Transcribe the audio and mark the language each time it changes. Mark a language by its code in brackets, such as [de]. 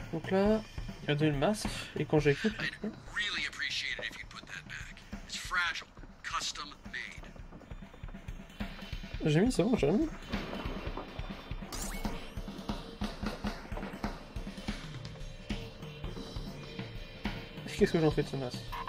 [fr] Là, il y a deux masques et quand j'écoute, [en] really appreciate it if you put that back. It's fragile, custom made. [fr] J'ai mis ça, bon, j'ai mis. Et qu'est-ce que j'en fais de ce masque?